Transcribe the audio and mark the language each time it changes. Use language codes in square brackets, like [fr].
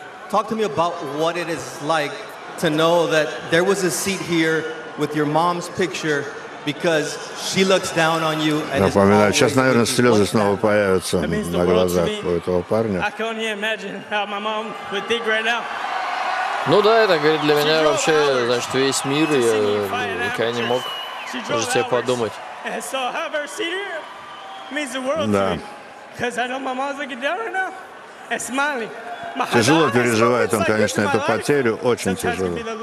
[en] Talk to me about what it is like to know that there was a seat here with your mom's picture because she looks down on you and [ru] напоминаю, сейчас, наверное, слезы снова появятся на глазах у этого парня. [en] I can't imagine how my mom would think right now. [ru] Ну да, это говорит для меня вообще, значит, весь мир, я никогда не мог даже себе подумать. [en] So have her seat here means the world to me. Cuz I know my mom's looking down right now and smiling. [ru] Тяжело переживает он, конечно, эту потерю, очень тяжело.